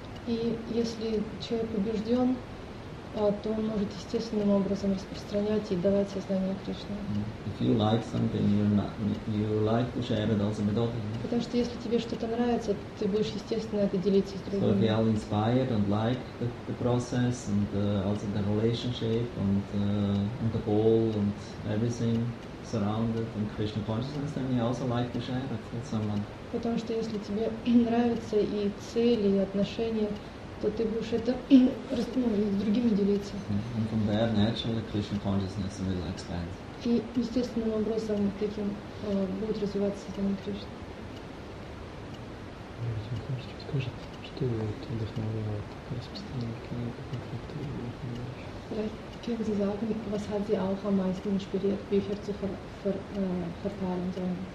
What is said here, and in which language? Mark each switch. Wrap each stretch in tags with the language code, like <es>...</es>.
<ru>И если человек убежден, то он может естественным образом распространять и давать сознание Кришне.</ru> <en>If you like something, you like to share it also with others.</en> <ru>Потому что если тебе что-то нравится, ты будешь естественно это делиться с другими.</ru> <en>So if you are inspired and like the process and also the relationship and the goal and everything surrounded in Krishna consciousness, then you also like to share it with someone.</en> <ru>Потому что если тебе нравятся и цели, и отношения, то ты будешь это с другими делиться.</ru> <en>And from there, naturally, Krishna consciousness will expand.</en> <ru>И естественным образом таким будет развиваться сознание Кришны. Я хотел спросить, скажет, что вдохновляло распространение книг и конфликтов?</ru> <de>Können Sie sagen, was hat Sie auch am meisten inspiriert, Bücher zu verteilen?</de>